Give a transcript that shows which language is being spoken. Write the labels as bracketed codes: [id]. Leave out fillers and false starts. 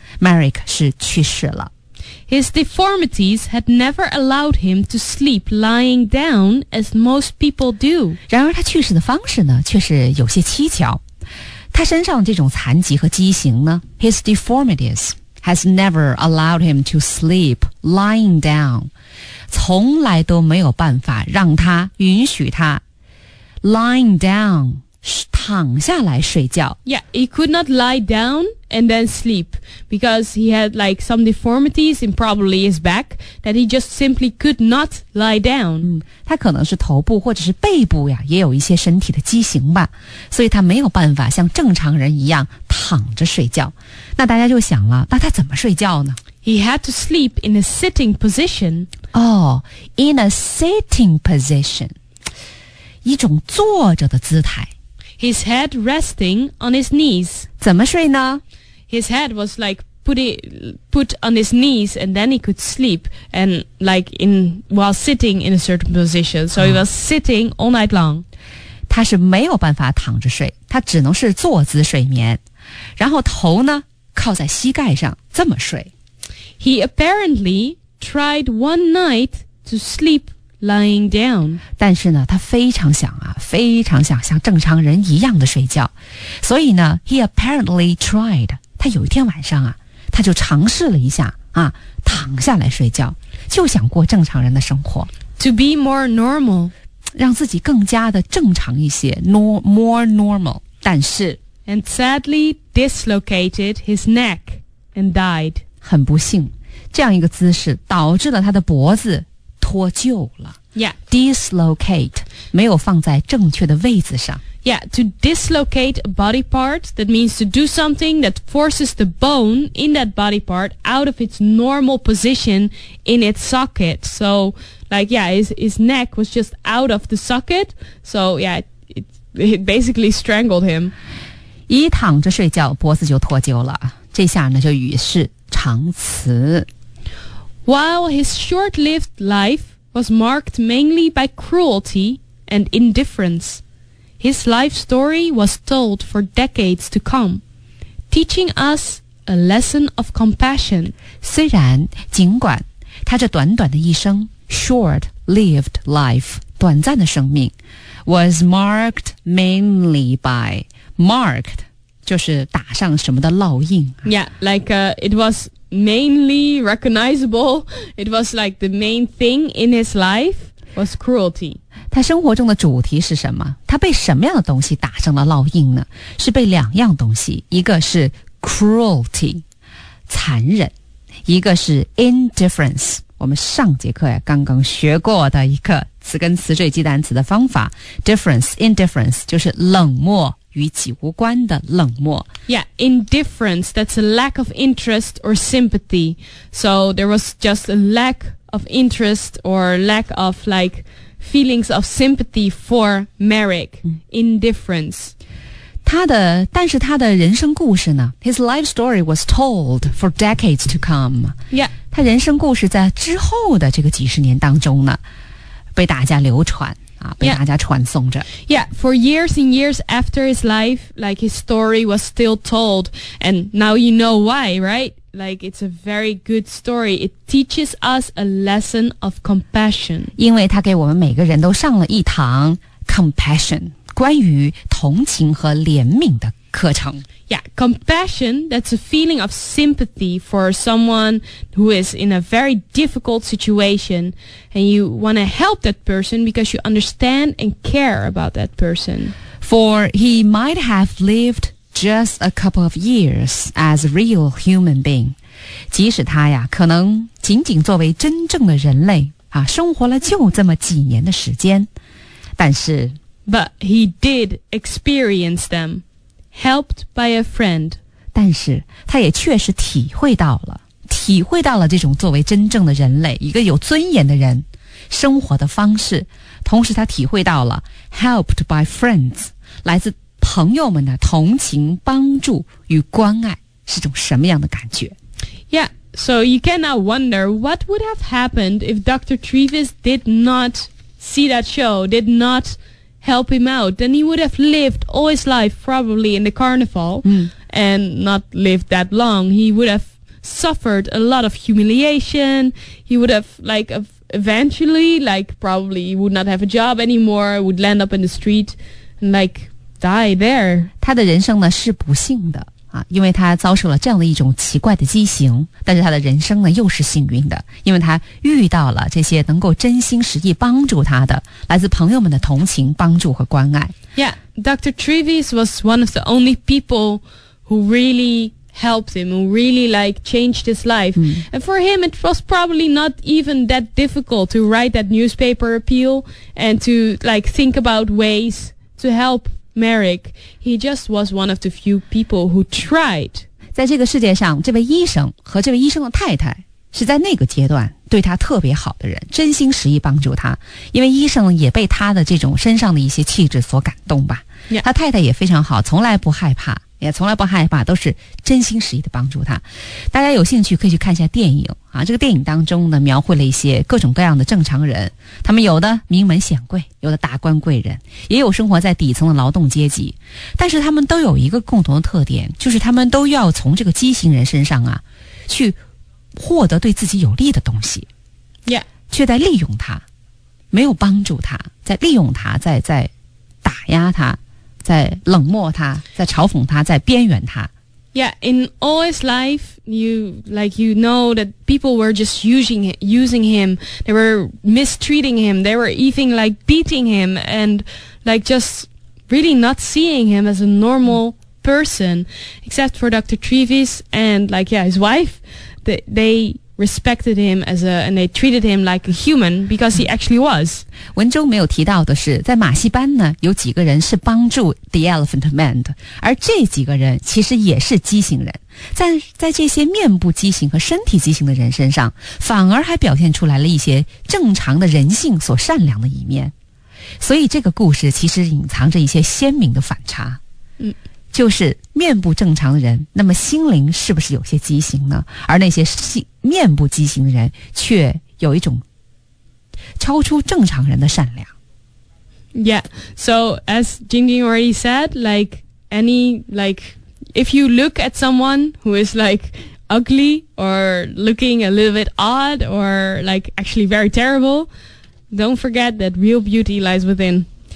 [zh] Merrick 是去世了。 [en] His deformities had never allowed him to sleep lying down as most people do. [zh] 然而他去世的方式呢，却是有些蹊跷。他身上这种残疾和畸形呢 [en] ,His deformities has never allowed him to sleep lying down. [zh] 从来都没有办法让他允许他 [en] lying down [zh] 躺下来睡觉 [en] Yeah, he could not lie down and then sleep because he had like some deformities in probably his back that he just simply could not lie down、 [zh] 他可能是头部或者是背部呀也有一些身体的畸形吧所以他没有办法像正常人一样躺着睡觉那大家就想了那他怎么睡觉呢 [en] He had to sleep in a sitting position. Oh, in a sitting position. [zh] 一种坐着的姿态。 [en] His head resting on his knees. [zh] 怎么睡呢? [en] His head was like put on his knees and then he could sleep and like while sitting in a certain position. So he was sitting all night long. [zh] 他是没有办法躺着睡,他只能是坐姿睡眠。然后头呢,靠在膝盖上,这么睡。 [en] He apparently tried one night to sleep lying down. [zh] 但是呢，他非常想啊，非常想像正常人一样的睡觉。所以呢， [en] he apparently tried. [zh] 他有一天晚上啊，他就尝试了一下啊，躺下来睡觉，就想过正常人的生活。 [en] To be more normal. [zh] 让自己更加的正常一些， [en] more normal. [zh] 但是 [en] ，and sadly dislocated his neck and died. [zh] 很不幸，这样一个姿势导致了他的脖子脱臼了。 [en] Yeah. [zh] Dislocate, 没有放在正确的位置上。 [en] Yeah, to dislocate a body part, that means to do something that forces the bone in that body part out of its normal position in its socket. So, like, yeah, his neck was just out of the socket. So, yeah, it basically strangled him. [zh] 一躺着睡觉，脖子就脱臼了。这下呢，就与世长辞。 [en] While his short-lived life was marked mainly by cruelty and indifference, his life story was told for decades to come, teaching us a lesson of compassion. [zh] 虽然，尽管，他这短短的一生 [en] short-lived life, [zh] 短暂的生命 [en] was marked mainly by, marked, [zh] 就是打上什么的烙印。 [en] Yeah, like it was... mainly recognizable it was like the main thing in his life was cruelty [zh] 他生活中的主题是什么他被什么样的东西打上了烙印呢是被两样东西一个是 cruelty 残忍一个是 indifference 我们上节课也刚刚学过的一个词根词缀记单词的方法 difference indifference 就是冷漠与己无关的冷漠。 [en] Yeah, indifference, that's a lack of interest or sympathy. So there was just a lack of interest or lack of like feelings of sympathy for Merrick. Indifference. [zh] 但是他的人生故事呢? [en] His life story was told for decades to come. Yeah. [zh] 他人生故事在之后的这个几十年当中呢,被大家流传。被大家传颂着 [en] Yeah, for years and years after his life, like his story was still told. And now you know why, right? Like it's a very good story. It teaches us a lesson of compassion. [zh] 因为他给我们每个人都上了一堂 compassion, 关于同情和怜悯的课程 [en] Yeah, compassion, that's a feeling of sympathy for someone who is in a very difficult situation and you want to help that person because you understand and care about that person. For he might have lived just a couple of years as a real human being. [zh] 即使他呀可能仅仅作为真正的人类啊，生活了就这么几年的时间但是 [en] But he did experience them.Helped by a friend. [zh] 但是他也确实体会到了，体会到了这种作为真正的人类，一个有尊严的人生活的方式。同时他体会到了 [en] helped by friends, [zh] 来自朋友们的同情、帮助与关爱是种什么样的感觉。 [en] Yeah, so you cannot wonder what would have happened if Dr. Treves did not see that show, did not help him out, then he would have lived all his life probably in the carnival, and not lived that long. He would have suffered a lot of humiliation. He would have, like, eventually, like, probably would not have a job anymore, would land up in the street and, like, die there. [zh] 他的人生呢是不幸的啊，因为他遭受了这样的一种奇怪的畸形，但是他的人生呢又是幸运的，因为他遇到了这些能够真心实意帮助他的来自朋友们的同情、帮助和关爱。 [en] Yeah, Dr. Treves was one of the only people who really helped him, who really like changed his life. And for him it was probably not even that difficult to write that newspaper appeal and to like think about ways to helpMerrick, he just was one of the few people who tried. [zh] 在这个世界上，这位医生和这位医生的太太是在那个阶段对他特别好的人，真心实意帮助他。因为医生也被他的这种身上的一些气质所感动吧。 [en] Yeah. [zh] 他太太也非常好，从来不害怕，也从来不害怕，都是真心实意的帮助他。大家有兴趣可以去看一下电影啊，这个电影当中呢，描绘了一些各种各样的正常人，他们有的名门显贵，有的达官贵人，也有生活在底层的劳动阶级，但是他们都有一个共同的特点，就是他们都要从这个畸形人身上啊，去获得对自己有利的东西，却在利用他，没有帮助他，在利用他，在打压他，在冷漠他，在嘲讽他，在边缘他。 [en] Yeah, in all his life, you know that people were just using him, they were mistreating him, they were even like beating him, and like just really not seeing him as a normal person, except for Dr. Treves and like, yeah, his wife, they respected him as a, and they treated him like a human, because he actually was. [zh] 文中没有提到的是，在马戏班呢，有几个人是帮助 The Elephant Man 的，而这几个人其实也是畸形人。在这些面部畸形和身体畸形的人身上，反而还表现出来了一些正常的人性所善良的一面。所以这个故事其实隐藏着一些鲜明的反差。嗯。就是面部正常的人，那么心灵是不是有些畸形呢？而那些面部畸形的人却有一种超出正常人的善良。 [en] Yeah, so as Jingjing already said, like any, like if you look at someone who is like ugly or looking a little bit odd or like actually very terrible, don't forget that real beauty lies within.